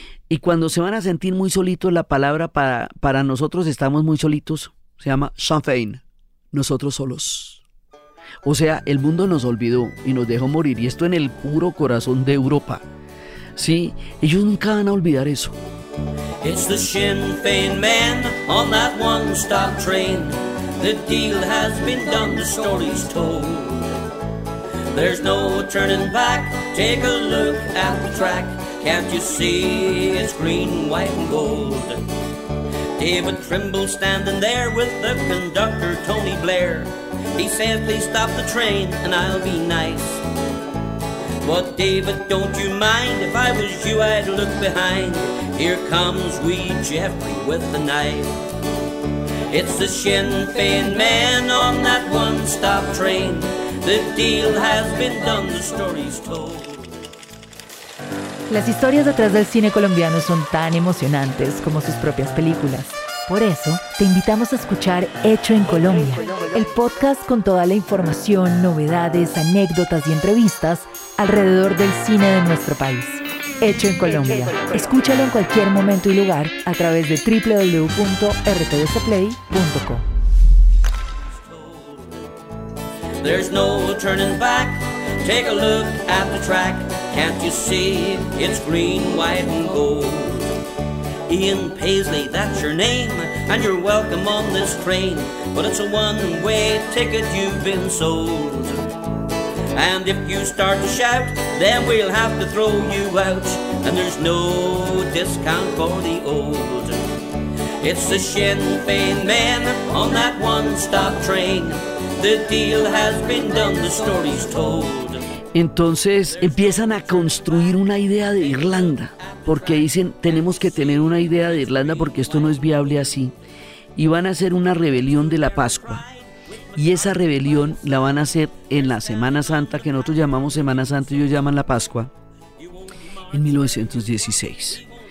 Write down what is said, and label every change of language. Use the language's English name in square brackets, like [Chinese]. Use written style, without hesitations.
[Spanish] Y cuando se van a sentir muy solitos, la palabra para nosotros estamos muy solitos se llama Sinn Féin, nosotros solos. O sea, el mundo nos olvidó y nos dejó morir, y esto en el puro corazón de Europa. Sí, ellos nunca van a olvidar eso. [English] It's the Sinn Féin men on that one stop train. The deal has been done, the story's told. There's no turning back, take a look at the track. Can't you see it's green, white and gold? David Trimble standing there with the conductor Tony Blair. He says, please stop the train and I'll be nice. But David, don't you mind, if I was you I'd look behind. Here comes wee Jeffrey with the knife. It's the Sinn Féin men on that one-stop train. The deal has been done, the story's told. [Spanish] Las historias detrás del cine colombiano son tan emocionantes como sus propias películas. Por eso, te invitamos a escuchar Hecho en Colombia, el podcast con toda la información, novedades, anécdotas y entrevistas alrededor del cine de nuestro país. Hecho en Colombia. Escúchalo en cualquier momento y lugar a través de www.rtvcplay.com. [English] There's no turning back. Take a look at the track. Can't you see it's green, white and gold? Ian Paisley, that's your name, and you're welcome on this train. But it's a one-way ticket, you've been sold. And if you start to shout, then we'll have to throw you out. And there's no discount for the old. It's the Sinn Féin men on that one-stop train. The deal has been done, the story's told. [Spanish] Entonces empiezan a construir una idea de Irlanda, porque dicen, tenemos que tener una idea de Irlanda porque esto no es viable así. Y van a hacer una rebelión de la Pascua. Y esa rebelión la van a hacer en la Semana Santa, que nosotros llamamos Semana Santa y ellos llaman la Pascua, en 1916.